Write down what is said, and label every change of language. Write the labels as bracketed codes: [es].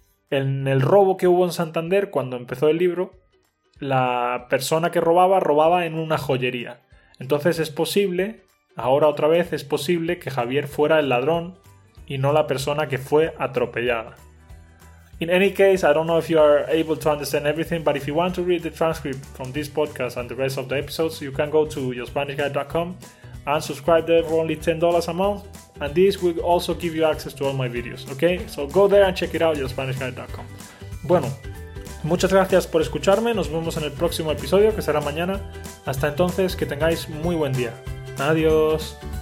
[es] En el robo que hubo en Santander cuando empezó el libro, la persona que robaba, robaba en una joyería. Entonces es posible, ahora otra vez es posible que Javier fuera el ladrón y no la persona que fue atropellada. [en] In any case, I don't know if you are able to understand everything, but if you want to read the transcript from this podcast and the rest of the episodes, you can go to yourspanishguide.com and subscribe there for only $10 a month. And this will also give you access to all my videos, okay? So go there and check it out, yourspanishguide.com. [es] Bueno, muchas gracias por escucharme. Nos vemos en el próximo episodio, que será mañana. Hasta entonces, que tengáis muy buen día. Adiós.